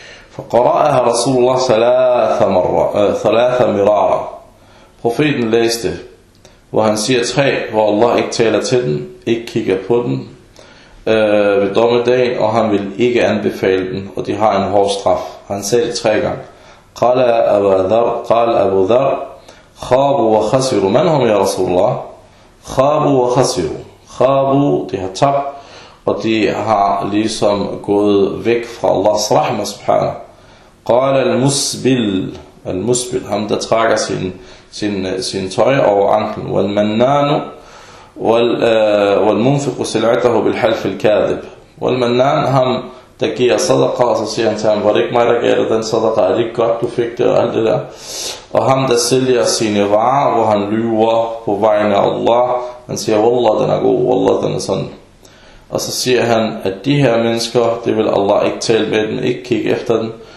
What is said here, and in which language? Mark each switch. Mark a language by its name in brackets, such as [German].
[Arabic] فقرأها رسول الله ثلاث مرارا. [Danish] Profeten læste, hvor han siger tre, hvor Allah ikke taler til den, ikke kigger på den ved dommedagen, og han vil ikke anbefale den, og de har en hård straf. Han sagde det tre gange. [Arabic] قال أبو ذر خابوا وخسروا من هم يا رسول الله خابوا وخسروا خابوا [Danish] de har tabt, og de har ligesom gået væk fra Allahs rahma subhanahu. [Arabic] قال المسبل المسبل [Danish] ham der trækker sin tøj over anklen, [Arabic] والمنان والمنفق سلعته بالحلف الكاذب. [Danish] والمنان ham der giver صدقه, så siger han til ham, var det ikke mig der gav dig den صدقه, er det ikke godt du fik det og alt det der. Og ham der sælger sine varer, hvor han lyver på vegne af Allah, han siger والله den er god, والله den er sådan. Og så siger han, at de her mennesker, det vil Allah ikke tale med dem, ikke kigge efter dem.